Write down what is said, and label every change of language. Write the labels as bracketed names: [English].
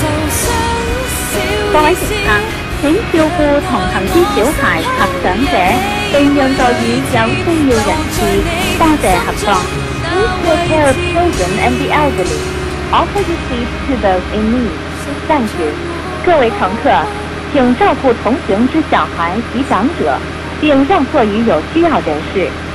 [Chinese] 请照顾同行之小孩及长者，并让座与有需要人士。多谢合作。 [English] Please take care of children and the elderly. Offer your seat to those in need. Thank you. [Chinese] 各位乘客，请照顾同行之小孩及长者，并让座与有需要人士。